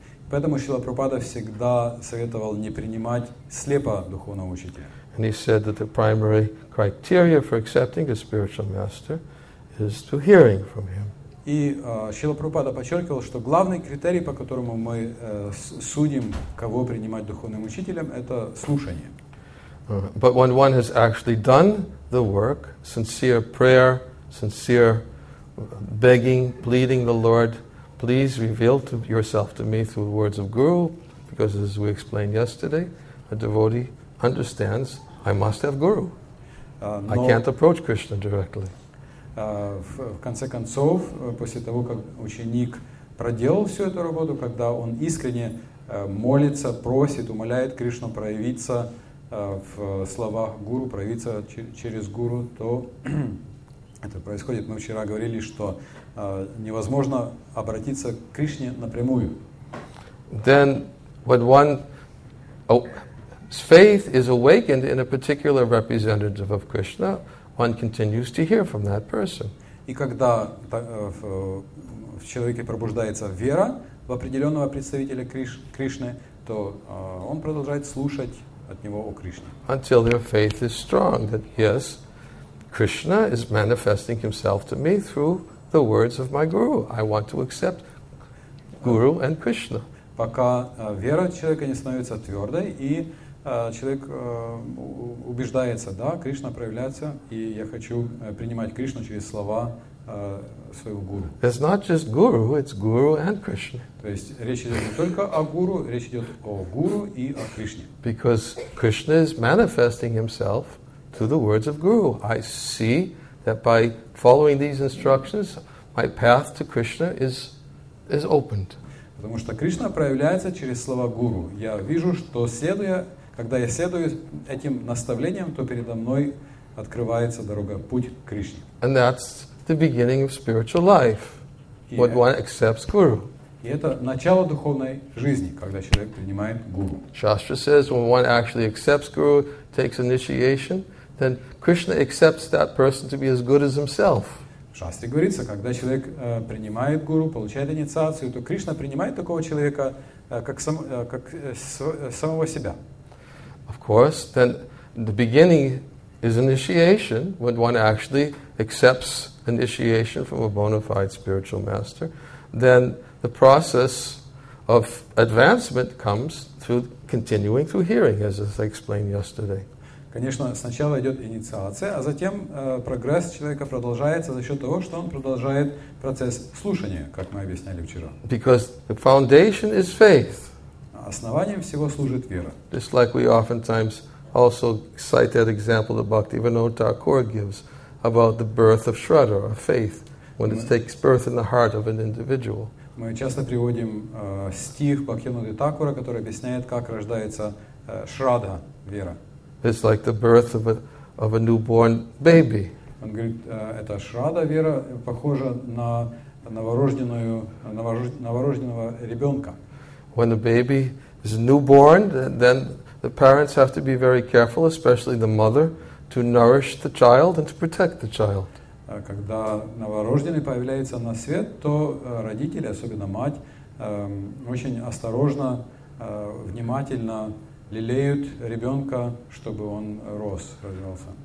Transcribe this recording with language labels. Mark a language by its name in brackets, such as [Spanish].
[Russian] Поэтому Шрила Прабхупада всегда советовал не принимать слепо духовного учителя. [English] And he said that the primary criteria for accepting a spiritual master is to hearing from him. [Russian] И Шрила Прабхупада подчеркивал, что главный критерий, по которому мы судим, кого принимать духовным учителем, это слушание. [English] But when one has actually done the work, sincere prayer, sincere begging, pleading the Lord, please reveal to yourself to me through the words of Guru, because as we explained yesterday, a devotee understands I must have Guru. I can't approach Krishna directly. [Russian] В конце концов, после того, как ученик проделал всю эту работу, когда он искренне молится, просит, умоляет Кришну проявиться в словах Гуру, проявиться через Гуру, то это происходит. Мы вчера говорили, что невозможно обратиться к Кришне напрямую. [English] Then, when one's faith is awakened in a particular representative of Krishna, one continues to hear from that person. [Russian] И когда в человеке пробуждается вера в определенного представителя Кришны, то он продолжает слушать от него о Кришне. [English] Until their faith is strong, that yes, Krishna is manifesting himself to me through the words of my guru. I want to accept guru and Krishna. [Russian] Пока вера человека не становится твердой, и человек убеждается, да, Кришна проявляется, и я хочу принимать Кришну через слова своего гуру. [English] It's not just guru, it's guru and Krishna. [Russian] То есть речь идет не только о гуру, речь идет о гуру и о Кришне. [English] Because Krishna is manifesting himself through the words of Guru. I see that by following these instructions, my path to Krishna is opened. [Russian] Потому что Кришна проявляется через слова Гуру. Я вижу, что следуя, когда я следую этим наставлениям, то передо мной открывается дорога, путь к Кришне. [English] And that's the beginning of spiritual life, when one accepts Guru. [Russian] И это начало духовной жизни, когда человек принимает Гуру. [English] Shastra says, when one actually accepts Guru, takes initiation, then Krishna accepts that person to be as good as himself. [Russian] В шастре говорится, когда человек принимает гуру, получает инициацию, то Кришна принимает такого человека самого себя. [English] Of course, then the beginning is initiation, when one actually accepts initiation from a bona fide spiritual master, then the process of advancement comes through continuing through hearing, as I explained yesterday. [Russian] Конечно, сначала идет инициация, а затем прогресс человека продолжается за счет того, что он продолжает процесс слушания, как мы объясняли вчера. [English] Because the foundation is faith. [Russian] Основанием всего служит вера. [English] Just like we oftentimes also cite that example that Bhaktivinoda Thakur gives about the birth of Shraddha, of faith, when it takes birth in the heart of an individual. [Russian] Мы часто приводим стих Бхактивинода Такура, который объясняет, как рождается шрадха, вера. [English] It's like the birth of a newborn baby. [Russian] Он говорит, эта шрадха, вера, похожа на новорожденного ребенка. [English] When a baby is newborn, then the parents have to be very careful, especially the mother, to nourish the child and to protect the child. [Russian] Когда новорожденный появляется на свет, то родители, особенно мать, очень осторожно, внимательно лелеют ребенка, чтобы он рос, развивался.